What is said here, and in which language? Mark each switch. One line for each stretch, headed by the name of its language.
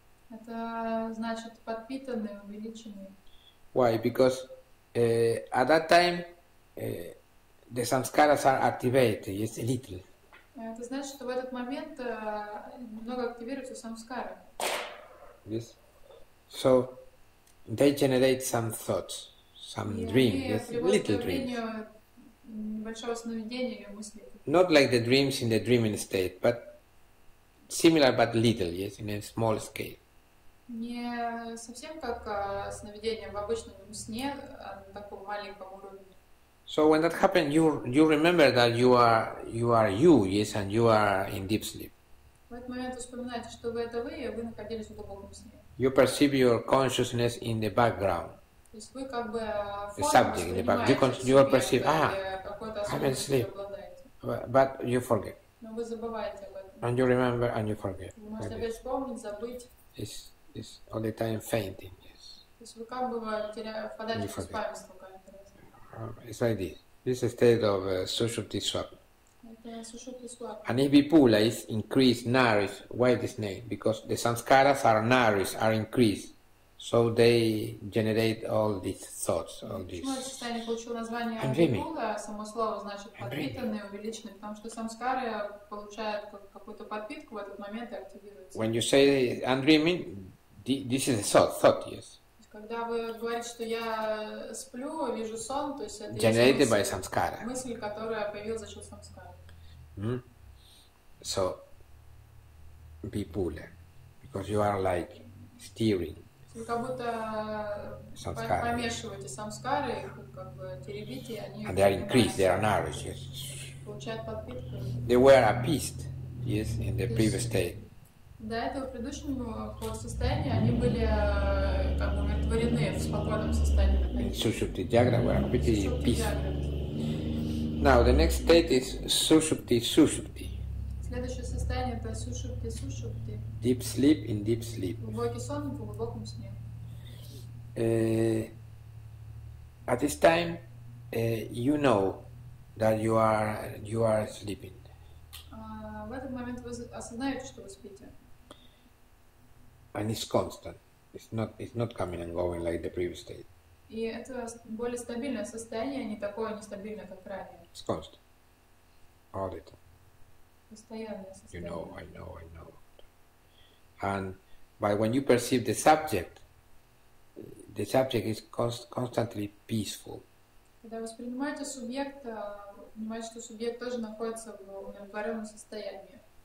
Russian: Это значит подпитанные, увеличенные.
English: Why? Because at that time the samskaras are activated, yes, a little.
Russian: Это значит, что в этот момент много активируются самскары.
English: Yes. So they generate some thoughts, some dreams, yes, little dreams.
Russian: Небольшого сновидения или мысли.
English: Not like the dreams in the dreaming state, but similar, but little, yes, in a small scale.
Russian: Не совсем как сновидение в обычном сне, а на таком маленьком уровне.
English: So when that happened, you remember that you are you, yes, and you are in deep sleep.
Russian: В этот момент вспоминаете, что вы это вы, и вы находились в глубоком сне.
English: You perceive your consciousness in the background.
Russian: То есть вы как бы
English: the subject in the back. You are perceived. Ah, I'm in sleep. But you forget.
Russian: Но вы забываете об этом.
English: And you remember and you forget.
Russian: Вы можете опять вспомнить, забыть.
English: It's all the time fainting. Yes.
Russian: То есть вы как бы впадаете в беспамятство.
English: It's like this. This is a state of sushupti swap. And if vipula is increased, nourished, why this name? Because the samskaras are nourished, are increased. So they generate all these thoughts, all these. I'm dreaming. I'm dreaming. When you say I'm dreaming, this is a thought, yes.
Russian: Когда вы говорите, что я сплю, вижу сон, то есть это
English: generated by samskara.
Russian: Мысль, которая появилась за счет самскары. Mm-hmm.
English: So, be pulled, because you are like steering.
Russian: Вы как будто samskara. Помешиваете самскары, как бы теребите, они.
English: And they are increased, they are nourished, yes.
Russian: Получают подпитку.
English: They were appeased, yes, in the previous state.
Russian: До этого предыдущего состояния они были как бы умиротворены в спокойном состоянии.
English: Сушупти джагра, we are pretty in peace. Now, the next state is сушупти сушупти.
Russian: Следующее состояние это сушупти сушупти.
English: Deep sleep in deep sleep.
Russian: Глубокий сон в глубоком сне.
English: At this time, you know that you are sleeping.
Russian: В этот момент вы осознаете, что вы спите.
English: And it's constant. It's not coming and going like the previous state.
Russian: И это более стабильное состояние, не такое нестабильное, как ранее.
English: It's constant. All the time.
Russian: Постоянное состояние.
English: You know, I know, I know. And but when you perceive the subject is constantly peaceful.
Russian: Когда вы воспринимаете субъект, понимаете, что субъект тоже находится в умиротворенном состоянии.